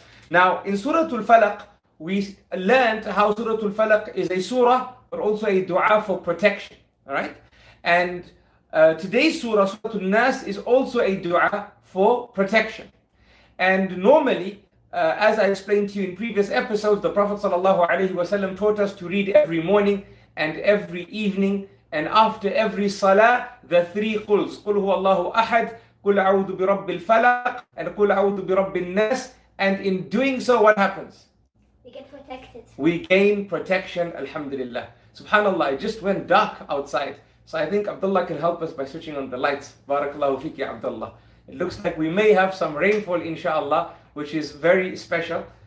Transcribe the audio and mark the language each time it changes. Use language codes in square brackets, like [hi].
[en] Now, in Suratul Falaq, we learned how Suratul Falaq is a surah, but also a dua for protection, right? And today's surah, Suratul Nas, is also a dua for protection. And normally, as I explained to you in previous episodes, the Prophet ﷺ taught us to read every morning and every evening And after every salah, the three quls, [ar] قُلْ هُوَ اللَّهُ أَحَدْ قُلْ أَعُوذُ بِرَبِّ الْفَلَقِ [en] and [ar] قُلْ أَعُوذُ بِرَبِّ النَّاسِ. [en] And in doing so, what happens? We get protected. We gain protection, alhamdulillah. Subhanallah, it just went dark outside. So I think Abdullah can help us by switching on the lights. Barakallahu fiki, Abdullah. It looks like we may have some rainfall, inshallah, which is very special.